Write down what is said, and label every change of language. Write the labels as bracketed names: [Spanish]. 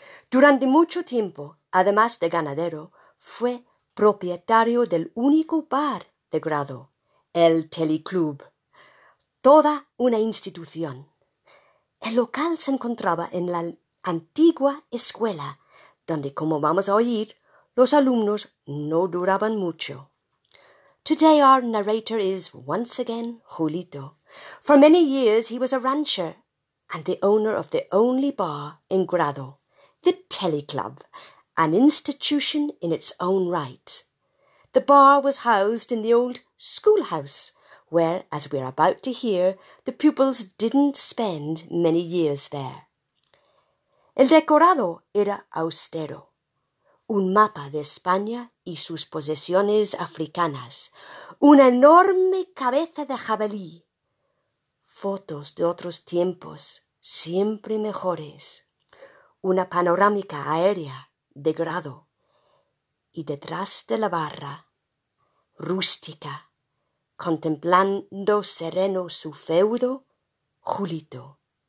[Spanish] Durante mucho tiempo, además de ganadero, fue propietario del único bar de Grado, el Teleclub. Toda una institución. El local se encontraba en la antigua escuela, donde, como vamos a oír, los alumnos no duraban mucho. [English] Today our narrator is, once again, Julito. For many years he was a rancher, and the owner of the only bar in Grado, the Teleclub, an institution in its own right. The bar was housed in the old schoolhouse, where, as we are about to hear, the pupils didn't spend many years there. [Spanish] El decorado era austero, un mapa de España y sus posesiones africanas, una enorme cabeza de jabalí, fotos de otros tiempos, siempre mejores, una panorámica aérea de Grado y detrás de la barra, rústica, contemplando sereno su feudo, Julito.